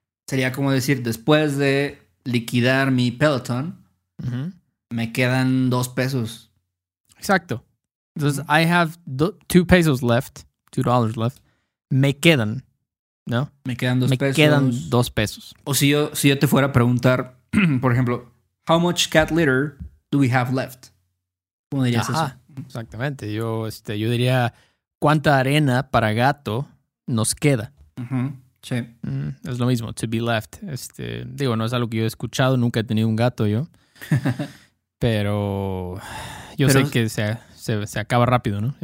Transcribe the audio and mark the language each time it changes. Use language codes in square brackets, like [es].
[es] Sería como decir, después de liquidar mi Peloton, me quedan 2 pesos. Exacto. Entonces, [en] I have 2 pesos left, $2 left, [es] me quedan, ¿no? Me quedan 2 pesos. Me quedan 2 pesos. O si yo te fuera a preguntar, por ejemplo... [en] How much cat litter do we have left? [es] ¿Cómo dirías eso? Exactamente. Yo diría, ¿cuánta arena para gato nos queda? Sí. Es lo mismo, to be left. Digo, no es algo que yo he escuchado, nunca he tenido un gato yo. Pero yo sé que se acaba rápido, ¿no?